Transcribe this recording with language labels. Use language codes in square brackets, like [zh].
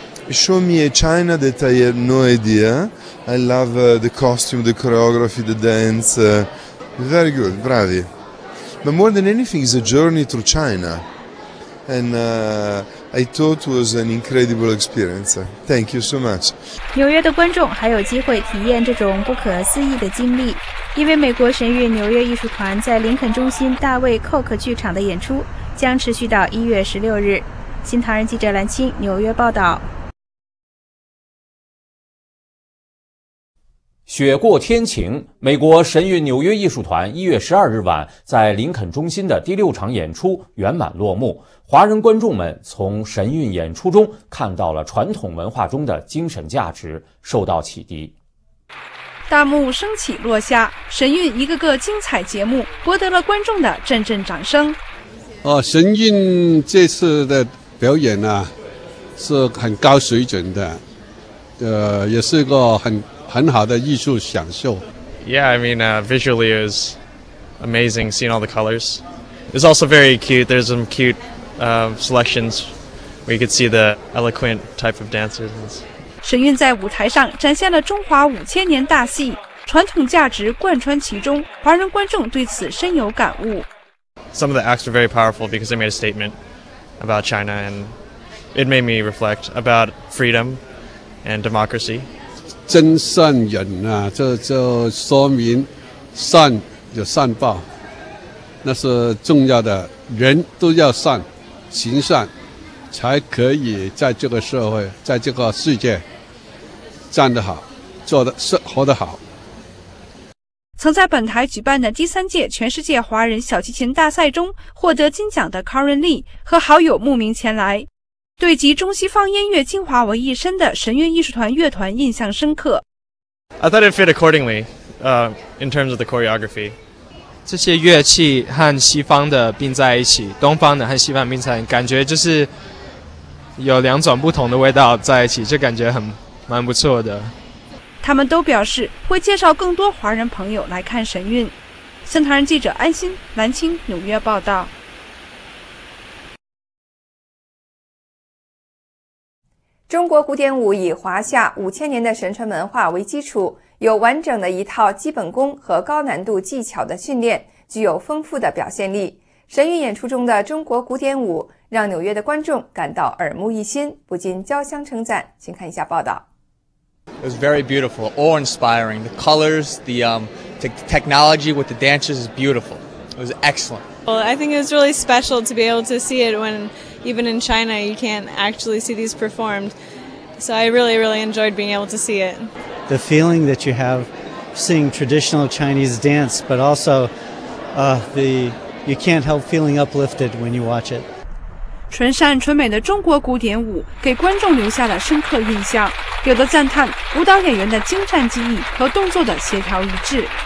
[en] Show me a China that I have no idea. I love the costume, the choreography, the dance. Very good, bravi. But more than anything, it's a journey through China. And I thought it was an incredible experience. Thank you so much. [zh] 纽约的观众还有机会体验这种不可思议的经历，因为美国神韵纽约艺术团在林肯中心大卫·寇克剧场的演出将持续到1月16日。新唐人记者蓝青，纽约报道。雪过天晴，美国神韵纽约艺术团1月12日晚在林肯中心的第六场演出圆满落幕。华人观众们从神韵演出中看到了传统文化中的精神价值，受到启迪。大幕升起落下，神韵一个个精彩节目博得了观众的阵阵掌声。神韵这次的表演呢，是很高水准的，也是一个很好的艺术享受。 [en] Yeah, I mean, visually it was amazing seeing all the colors. It's also very cute. There's some cute selections where you could see the eloquent type of dancers. [zh] 沈韵在舞台上展现了中华五千年大戏，传统价值贯穿其中，华人观众对此深有感悟。 [en] Some of the acts were very powerful because they made a statement about China and it made me reflect about freedom and democracy. [zh] 真善人啊，这说明善有善报。那是重要的，人都要善，行善，才可以在这个社会，在这个世界站得好，做得活得好。曾在本台举办的第三届全世界华人小提琴大赛中获得金奖的 Karen Lee 和好友慕名前来，对集中西方音乐精华为一身的神韵艺术团乐团印象深刻。 [en] I thought it fit accordingly, in terms of the choreography. [zh] 这些乐器和西方的并在一起，东方的和西方并在一起，感觉就是有两种不同的味道在一起，就感觉很蛮不错的。他们都表示会介绍更多华人朋友来看神韵。森唐人记者安心蓝青纽约报道。中国古典舞以华夏五千年的神传文化为基础，有完整的一套基本功和高难度技巧的训练，具有丰富的表现力。神韵演出中的中国古典舞让纽约的观众感到耳目一新，不禁交相称赞。请看一下报道。 [en] It was very beautiful, awe-inspiring. The colors, the technology with the dancers is beautiful. It was excellent. Well, I think it was really special to be able to see it when even in China you can't actually see these performed. So I really, really enjoyed being able to see it. The feeling that you have seeing traditional Chinese dance, but also you can't help feeling uplifted when you watch it. [zh] 纯善纯美的中国古典舞给观众留下了深刻印象，有的赞叹舞蹈演员的精湛技艺和动作的协调一致。